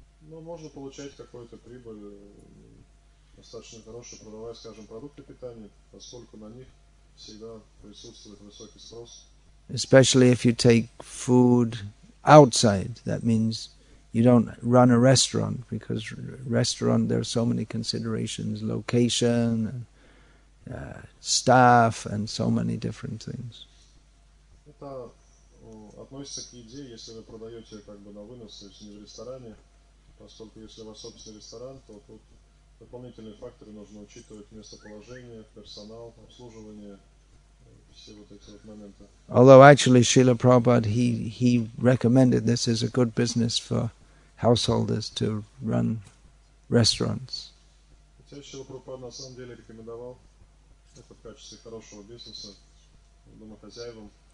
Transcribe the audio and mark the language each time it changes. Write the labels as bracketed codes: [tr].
[ru] Ну, можно получать какую-то прибыль, достаточно хорошую, продавая, скажем, продукты питания, поскольку на них всегда присутствует высокий спрос. [en] Especially if you take food outside, that means You don't run a restaurant, because restaurant, there are so many considerations, location, staff, and so many different things. [ru] Это относится к идее, если вы продаете как бы на вынос, если не в ресторане, поскольку если у вас собственный ресторан, то тут дополнительные факторы нужно учитывать: местоположение, персонал, обслуживание, все вот эти вот моменты. [en] Although actually Srila Prabhupada, he recommended this as a good business for householders to run restaurants. [ru] Хотя Шрила Прабхупада на самом деле рекомендовал это в качестве хорошего бизнеса домохозяевам.